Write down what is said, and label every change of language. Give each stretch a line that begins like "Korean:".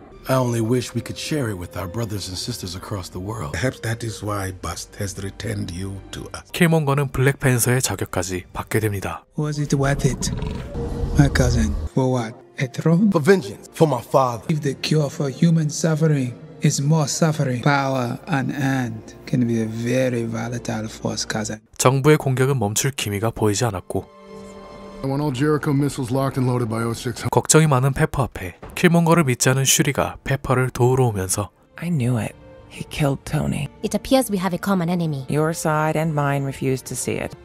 English: I only wish we could share it with our brothers and sisters across the world. Perhaps that is why Bust has returned you to us.
Korean: 킬몽거는 블랙팬서의 자격까지 받게 됩니다.
English: Was it worth it? My cousin. For what? A throne? For vengeance. For my father. If the cure for human suffering is more suffering. Power and end can be a very volatile force, cousin.
Korean: 정부의 공격은 멈출 기미가 보이지 않았고
English: I want all Jericho missiles locked and loaded by 0600.
Korean: 걱정이 많은 페퍼 앞에 킬몽거를 믿지 않은 슈리가 페퍼를 도우러 오면서
English: I knew it. He killed Tony. It appears we have a common enemy. Your side and mine refuse to see it.